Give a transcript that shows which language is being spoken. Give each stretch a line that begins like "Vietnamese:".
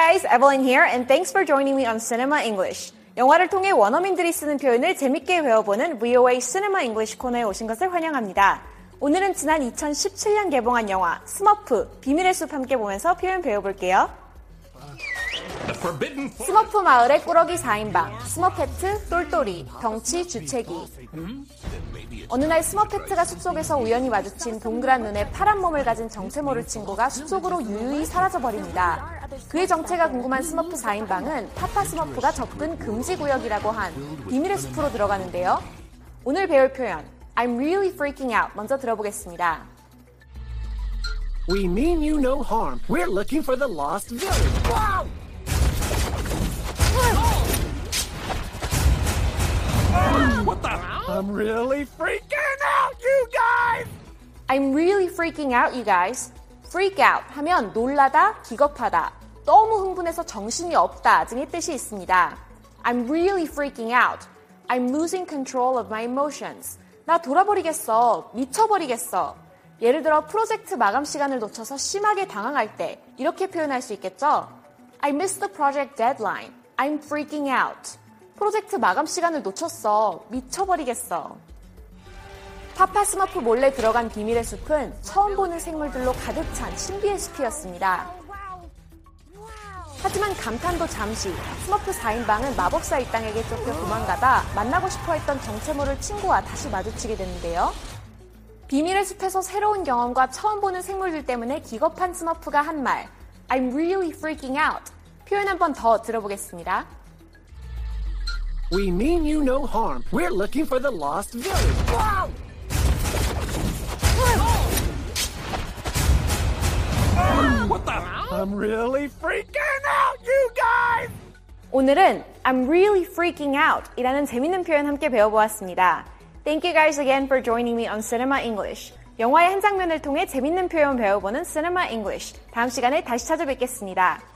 English: Evelyn here, and thanks for joining me on Cinema English.
Korean: 영화를 통해 원어민들이 쓰는 표현을 재밌게 외워보는 VOA Cinema English 코너에 오신 것을 환영합니다. 오늘은 지난 2017년 개봉한 영화 스머프, 비밀의 숲 함께 보면서 표현 배워볼게요.
English: The
Korean: 스머프 마을의 꾸러기 4인방 스머캣트, 똘똘이, 덩치, 주채기. 어느 날 스머캣트가 숲속에서 우연히 마주친 동그란 눈에 파란 몸을 가진 정체 모를 친구가 숲속으로 유유히 사라져버립니다. 그의 정체가 궁금한 스머프 4인방은 파파 스머프가 접근 금지 구역이라고 한 비밀의 숲으로 들어가는데요. 오늘 배울 표현
English: I'm really freaking out
Korean: 먼저 들어보겠습니다.
English: We mean you no harm. We're looking for the lost village. Wow! What the hell? I'm really freaking out, you guys! I'm really freaking out, you guys. Freak out
Korean: 하면 놀라다, 기겁하다, 너무 흥분해서 정신이 없다 등의 뜻이 있습니다.
English: I'm really freaking out. I'm losing control of my emotions.
Korean: 나 돌아버리겠어, 미쳐버리겠어. 예를 들어 프로젝트 마감 시간을 놓쳐서 심하게 당황할 때 이렇게 표현할 수 있겠죠?
English: I missed the project deadline. I'm freaking out.
Korean: 프로젝트 마감 시간을 놓쳤어. 미쳐버리겠어. 파파 스머프 몰래 들어간 비밀의 숲은 처음 보는 생물들로 가득 찬 신비의 숲이었습니다. 하지만 감탄도 잠시, 스머프 4인방은 마법사 이 땅에게 쫓겨 도망가다 만나고 싶어했던 정체모를 친구와 다시 마주치게 되는데요. 비밀의 숲에서 새로운 경험과 처음 보는 생물들 때문에 기겁한 스머프가 한 말,
English: I'm really freaking out.
Korean: 표현 한 번 더 들어보겠습니다.
English: We mean you no harm. We're looking for the lost village. Wow! What the hell? I'm really freaking out, you guys!
Korean: 오늘은
English: I'm really freaking out
Korean: 이라는 재밌는 표현 함께 배워보았습니다.
English: Thank you guys again for joining me on Cinema English.
Korean: 영화의 한 장면을 통해 재밌는 표현 배워보는 Cinema English. 다음 시간에 다시 찾아뵙겠습니다.